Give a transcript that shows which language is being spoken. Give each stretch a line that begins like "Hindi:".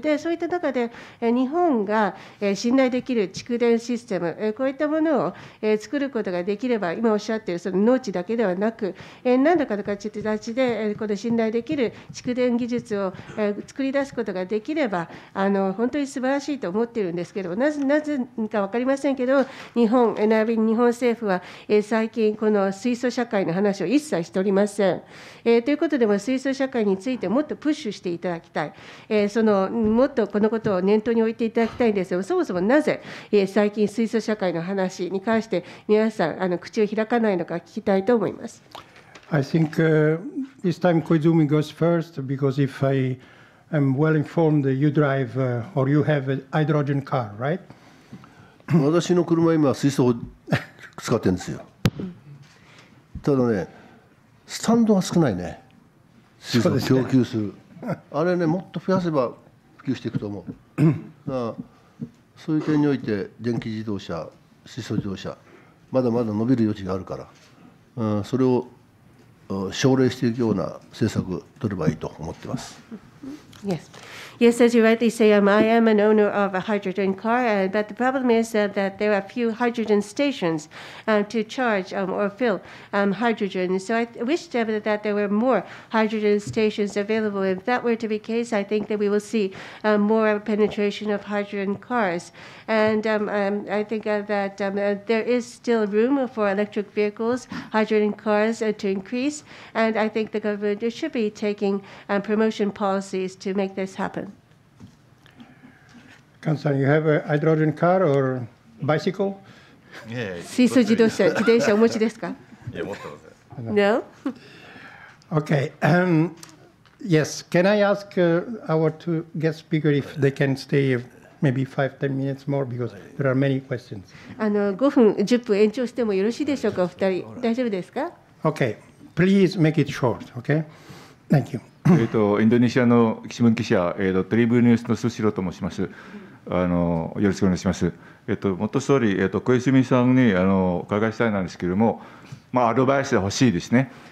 Japanese: で、そういった中で日本が信頼できる蓄電システム、こういったものを作ることができれば、今おっしゃっているその農地だけではなく、何らかの形でこの信頼できる蓄電技術を作り出すことができれば、本当に素晴らしいと思っているんですけど、なぜか分かりませんけど、日本並びに日本政府は最近この水素社会の話を一切しておりません。ということで、水素社会についてもっとプッシュしていただきたい、そのもっとこのことを念頭に置いていただきたいんですが、そもそもなぜ最近水素社会の話に関して皆さん口を開かないのか聞きたいと思います。
English: I think this time Koizumi goes first, because if I am well informed, you drive or you have a hydrogen car, right?
Japanese: 私の車今水素を使ってるんですよ。ただね、スタンドが少ないね、水素を供給する、ね、あれね、もっと増やせば普及していくと思う。だから、そういう点において電気自動車、水素自動車、まだまだ伸びる余地があるから、それを奨励していくような政策を取ればいいと思ってます。
English: Yes. Yes, as you rightly say, I am an owner of a hydrogen car, but the problem is that there are few hydrogen stations to charge or fill hydrogen. So I wish that there were more hydrogen stations available. If that were to be the case, I think that we will see more penetration of hydrogen cars. And I think that there is still room for electric vehicles, hydrogen cars to increase. And I think the government should be taking promotion policies to make this happen. Kan-san, you have a hydrogen car or bicycle? Yeah.
Japanese: 水素自動車、自転車お持ちですか? Yeah, 持ってます。
English: No? Okay. Yes. Can I ask our two guest speakers if they can stay maybe 5-10 minutes more because there are many questions?
Japanese: 5分、10分延長してもよろしいでしょうか、お二人。大丈夫ですか
English: ？Okay. Please make it short. Okay. Thank you.
Japanese: インドネシアの新聞記者、トリブニュースのスシローと申します。よろしくお願いします。元総理、小泉さんにお伺いしたいなんですけれども、まあ、アドバイスが欲しいですね。